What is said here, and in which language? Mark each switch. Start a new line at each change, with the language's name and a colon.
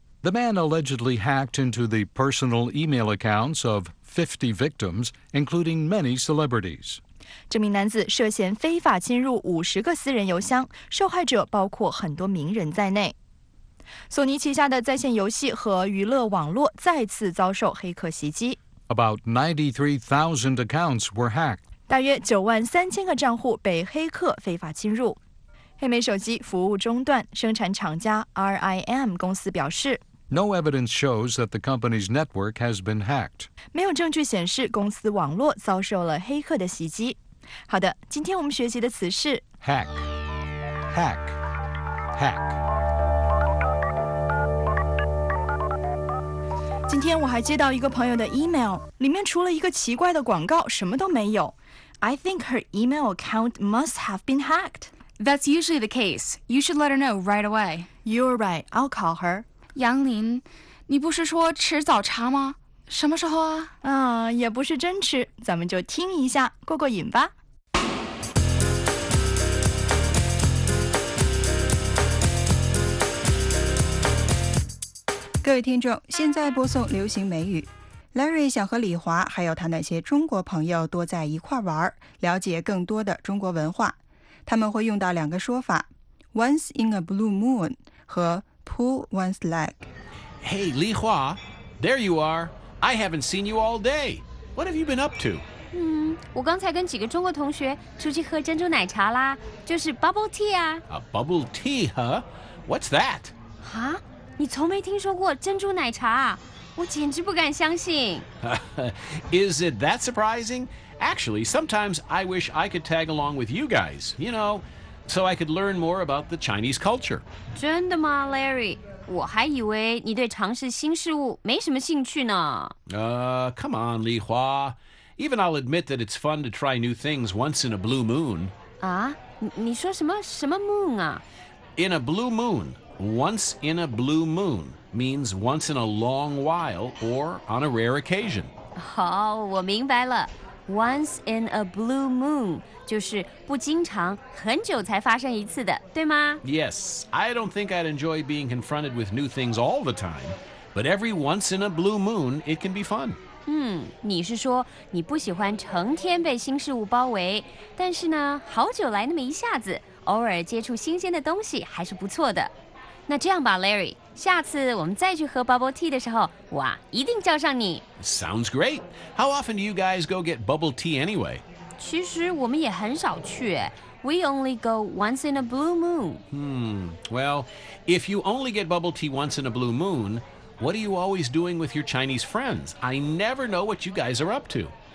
English: The man allegedly hacked into the personal email accounts of 50 victims, including many celebrities.
Chinese: 这名男子涉嫌非法侵入50个私人邮箱，受害者包括很多名人在内。索尼旗下的在线游戏和娱乐网络再次遭受黑客袭击。
English: About 93,000 accounts were hacked.
Chinese: 大约93,000个账户被黑客非法侵入。黑莓手机服务中断，生产厂家 RIM 公司表示。
English: No evidence shows that the company's network has been hacked.
Chinese: 没有证据显示公司网络遭受了黑客的袭击。好的，今天我们学习的词是
English: hack, hack, hack.
Chinese: 今天我还接到一个朋友的 email， 里面除了一个奇怪的广告，什么都没有。
English: I think her email account must have been hacked. That's usually the case. You should let her know right away. You're right. I'll call her.
Chinese: 杨林，你不是说吃早茶吗？什么时候啊？啊，也不是真吃，咱们就听一下，过过瘾吧。各位听众，现在播送流行美语。Larry 想和李华还有他那些中国朋友多在一块玩，了解更多的中国文化。他们会用到两个说法 ：
English: once in a blue moon
Chinese: 和。
English: Pull one's leg. Hey, Li Hua, there you are. I haven't seen you all day. What have you been up to?
Chinese: 我刚才跟几个中国同学出去喝珍珠奶茶啦，就是 bubble tea 啊。
English: A bubble tea, huh? What's that?
Chinese: 哈？你从没听说过珍珠奶茶啊？我简直不敢相信。
English: Is it that surprising? Actually, sometimes I wish I could tag along with you guys. You know. So I could learn more about the Chinese culture.
Chinese: 真的吗, Larry? 我还以为你对尝试新事物没什么兴趣呢。
English: Come on, Li Hua. Even I'll admit that it's fun to try new things once in a blue moon.
Chinese: 啊?你说什么,什么 moon 啊?
English: In a blue moon. Once in a blue moon means once in a long while or on a rare occasion.
Chinese: 好,我明白了。
English: Once in a blue moon
Chinese: 就是不经常很久才发生一次的对吗
English: Yes, I don't think I'd enjoy being confronted with new things all the time But every once in a blue moon, it can be fun
Chinese: 你是说你不喜欢成天被新事物包围但是呢好久来那么一下子偶尔接触新鲜的东西还是不错的那这样吧 Larry 下次我们再去喝 bubble tea 的时候哇一定叫上你
English: Sounds great How often do you guys go get bubble tea anyway?
Chinese: 其实我们也很少去
English: We only go once in a blue moon Well, if you only get bubble tea once in a blue moon What are you always doing with your Chinese friends? I never know what you guys are up to